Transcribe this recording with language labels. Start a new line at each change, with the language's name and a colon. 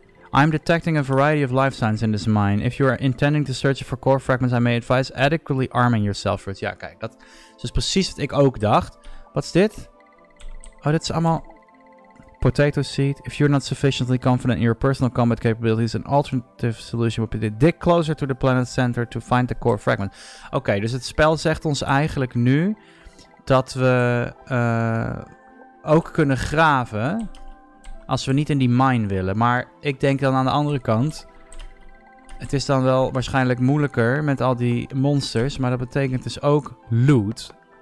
English: I'm detecting a variety of life signs in this mine. If you are intending to search for core fragments, I may advise adequately arming yourself for it.
Dutch: Ja, kijk, dat is precies wat ik ook dacht. Wat is dit? Oh, dit is allemaal... Potato seed.
English: If you're not sufficiently confident in your personal combat capabilities, an alternative solution would be to dig closer to the planet center to find the core fragment.
Dutch: Oké, dus het spel zegt ons eigenlijk nu dat we ook kunnen graven als we niet in die mine willen. Maar ik denk dan aan de andere kant, het is dan wel waarschijnlijk moeilijker met al die monsters, maar dat betekent dus ook loot.